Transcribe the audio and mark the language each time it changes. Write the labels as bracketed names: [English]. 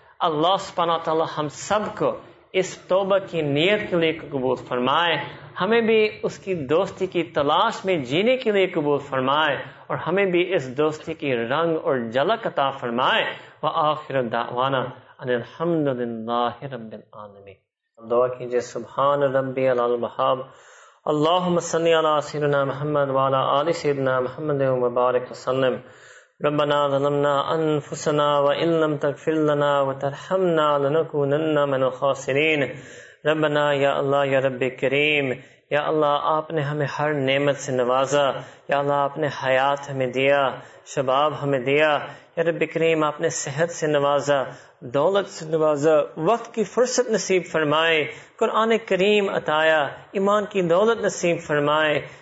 [Urdu] اللہ سبحانہ وتعالی ہم سب کو اس توبہ کی نیت کے لیے قبول فرمائے, ہمیں بھی اس کی دوستی کی تلاش میں جینے کے لیے قبول فرمائے, اور ہمیں بھی اس دوستی کی رنگ اور جھلک عطا فرمائے. [Arabic] وآخر دعوانا ان الحمد للہ رب العالمین. [Urdu] دعا کیجئے, [Arabic] سبحان ربی العظیم, اللهم صل على سيدنا محمد وعلى آل سيدنا محمد وبارك وسلم. ربنا ظلمنا أنفسنا وإن لم تغفر لنا وترحمنا لنكونن من الخاسرين. ربنا يا الله يا رب كريم, [Urdu] يا الله آپ نے ہمیں ہر نعمت سے نوازا, يا الله آپ نے حیات ہمیں دیا, شباب ہمیں دیا, یا رب کریم آپ نے صحت سے نوازا, دولت سے نوازا, وقت کی فرصت نصیب فرمائے, قرآن کریم عطایا, ایمان کی دولت نصیب فرمائے.